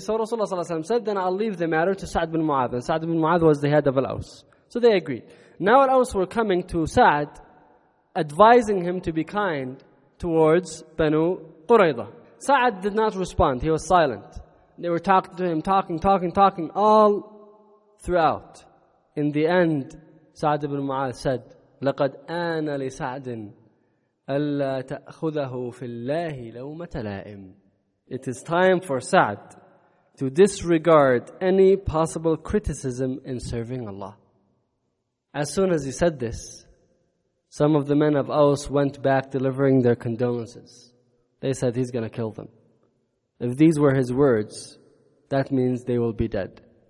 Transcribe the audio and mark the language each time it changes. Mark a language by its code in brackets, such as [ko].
[en] So Rasulullah said, then I'll leave the matter to Sa'd bin Mu'adh. And Sa'd bin Mu'adh was the head of Al-Aus. So they agreed. Now Al-Aus were coming to Sa'd, advising him to be kind towards Banu Quraidah. Sa'd did not respond. He was silent. They were talking to him, talking all throughout. In the end, Sa'd ibn Mu'adh said, [ar] لَقَدْ آنَ لِسَعْدٍ أَلَّا تَأْخُذَهُ فِي اللَّهِ لَوْمَةَ لَائِمٍ. [en] It is time for Sa'd to disregard any possible criticism in serving Allah. As soon as he said this, some of the men of Aus went back delivering their condolences. They said he's going to kill them. If these were his words, that means they will be dead.